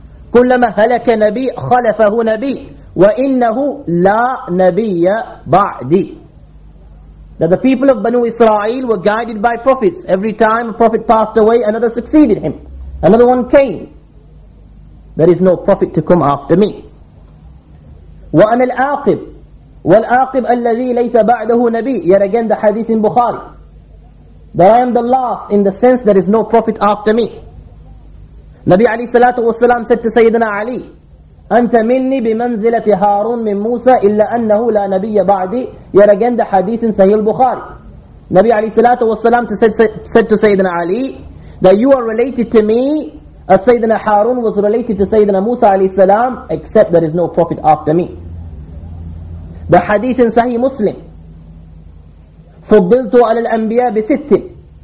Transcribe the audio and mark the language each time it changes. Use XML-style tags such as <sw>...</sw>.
<ar>كلما هلك نبي خلفه نبي وإنه لا نبي بعدي.</ar> <en>That the people of Banu Israel were guided by prophets. Every time a prophet passed away, another succeeded him. Another one came. There is no prophet to come after me.</en> <ar>وأنا الآقب والآقب الذي ليس بعده نبي.</ar> <en>Yet again the hadith in Bukhari. That I am the last in the sense there is no prophet after me. Nabi alayhi salatu wa salam said to Sayyidina Ali,</en> <ar>أَنْتَ مِنِّي بِمَنْزِلَةِ هَارُونَ مِنْ مُوسَى إِلَّا أَنَّهُ لَا نَبِيَّ بَعْدِي.</ar> <en>Yet again the hadith in Sahih al-Bukhari. Nabi alayhi salatu wa salam said to Sayyidina Ali, that you are related to me as Sayyidina Harun was related to Sayyidina Musa alayhi salam, except there is no prophet after me. The hadith in Sahih Muslim,</en> <ar>فُضِّلْتُ عَلَى الْأَنْبِيَا بِسِتٍ.</ar>